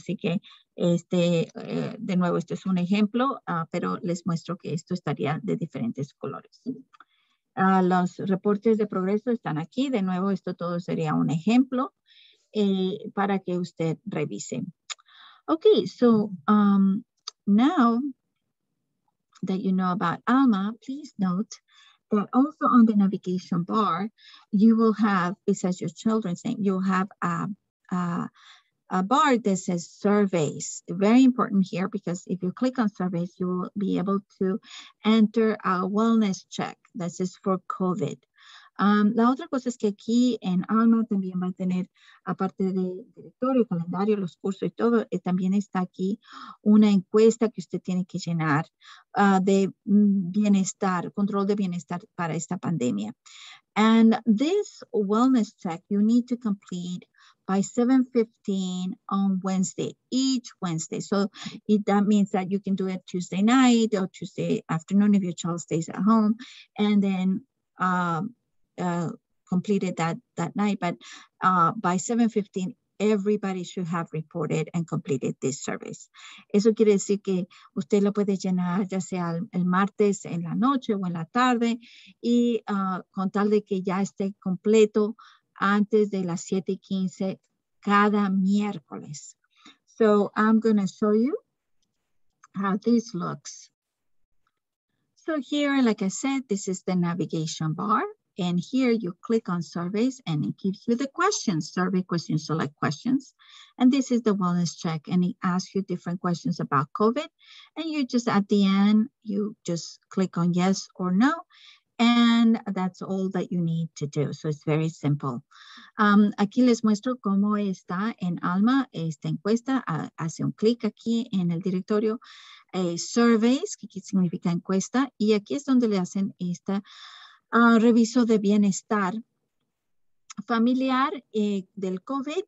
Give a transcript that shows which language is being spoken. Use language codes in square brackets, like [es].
[es] Así que de nuevo, esto es un ejemplo, pero les muestro que esto estaría de diferentes colores. Los reportes de progreso están aquí. De nuevo, esto todo sería un ejemplo para que usted revise. [en] Okay, so now that you know about ALMA, please note that also on the navigation bar, you will have, it says your children's name, you'll have a bar that says surveys. Very important here, because if you click on surveys, you will be able to enter a wellness check. This is for COVID. [es] La otra cosa es que aquí en ALMA también va a tener, aparte de directorio, calendario, los cursos y todo, también está aquí una encuesta que usted tiene que llenar de bienestar, control de bienestar para esta pandemia. [en] And this wellness check you need to complete by 7:15 on Wednesday, each Wednesday. So that means that you can do it Tuesday night or Tuesday afternoon if your child stays at home. And then completed that night, but by 7:15, everybody should have reported and completed this service. [es] Eso quiere decir que usted lo puede llenar ya sea el martes en la noche o en la tarde, y con tal de que ya esté completo antes de las 7:15 cada miércoles. [en] So I'm going to show you how this looks. So here, like I said, this is the navigation bar. And here you click on surveys and it gives you the questions, survey questions, select questions. And this is the wellness check, and it asks you different questions about COVID. And you just, at the end, you just click on yes or no. And that's all that you need to do. So it's very simple. [es] Aquí les muestro cómo está en ALMA esta encuesta. Hace un clic aquí en el directorio. Surveys, que significa encuesta. Y aquí es donde le hacen este reviso de bienestar familiar del COVID.